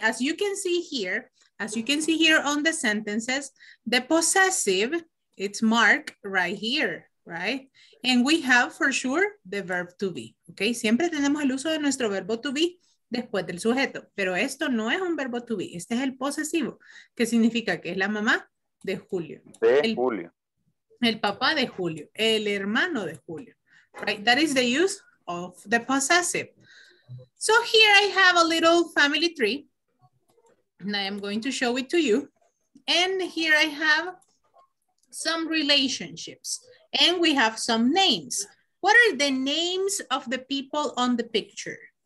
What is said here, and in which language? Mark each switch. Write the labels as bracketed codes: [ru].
[en] As you can see here, as you can see here on the sentences, the possessive, it's marked right here, right? And we have for sure the verb to be, okay? [es] Siempre tenemos el uso de nuestro verbo to be después del sujeto, pero esto no es un verbo to be, este es el posesivo, que significa que es la mamá de Julio. El papá de Julio, el hermano de Julio, right? [en] That is the use of the possessive. So here I have a little family tree and I am going to show it to you. And here I have some relationships and we have some names. What are the names of the people on the picture?